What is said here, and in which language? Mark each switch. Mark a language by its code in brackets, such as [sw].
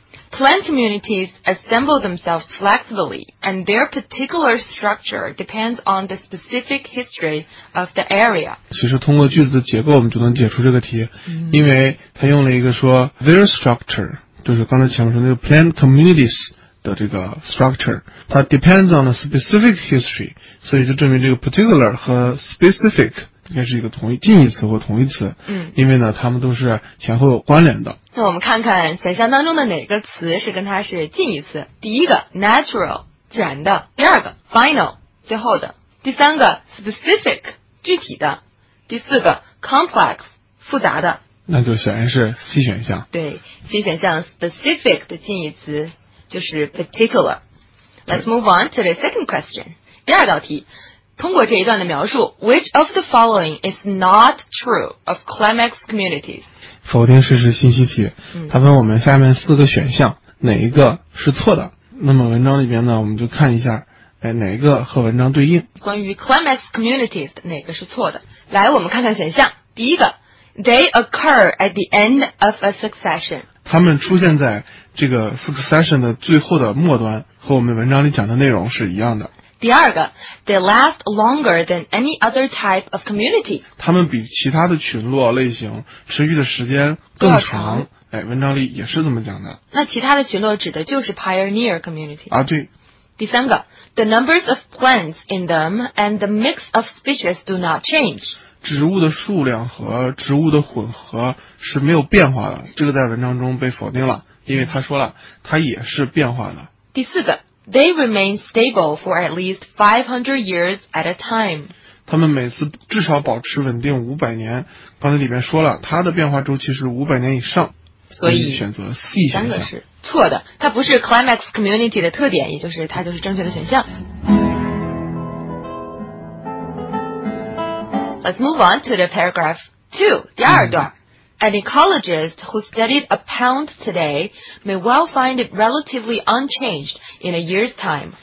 [en] Plant communities assemble themselves flexibly and their particular structure depends on the specific history of the area. [zh] 其实通过句子的结构我们就能解出这个题，因为他用了一个说 their structure，就是刚才前面说那个 plant communities 的这个 structure， 它 [en] depends on a specific history， [zh] 所以就证明这个 particular 和 specific 应该是一个同义近义词或同义词，因为呢它们都是前后有关联的。那我们看看选项当中的哪个词是跟它是近义词。第一个 natural， 自然的。第二个 final， 最后的。第三个 specific， 具体的。第四个 complex， 复杂的。那就显然是 C 选项。对， [en] C 选项 specific [zh] 的近义词就是 [en] particular. Let's move on to the second question. [zh] 第二道题，通过这一段的描述 [en] ,which of the following is not true of climax communities? [zh] 否定事实信息题、嗯、他问我们下面四个选项哪一个是错的。那么文章里边呢我们就看一下、哎、哪一个和文章对应。关于 climax communities, 哪个是错的。来我们看看选项。第一个 [en] ,they occur at the end of a succession. [zh] 他们出现在这个 succession 的最后的末端和我们文章里讲的内容是一样的。第二个 [en] ,they last longer than any other type of community. [zh] 他们比其他的群落类型持续的时间更长。哎、文章里也是这么讲的。那其他的群落指的就是 pioneer community 啊，对。第三个 [en] the numbers of plants in them and the mix of species do not change [zh] 植物的数量和植物的混合是没有变化的，这个在文章中被否定了，因为他说了它也是变化的。第四个 [en] they remain stable for at least 500 years at a time [zh] 他们每次至少保持稳定500年，刚才里面说了它的变化周期是500年以上，所以选择 C 选项是错的，它不是 climax community 的特点，也就是它就是正确的选项。 [en] Let's move on to the paragraph 2, [zh] 第二段、嗯、 [en] An ecologist who studied a pond today may well find it relatively unchanged in a year's time.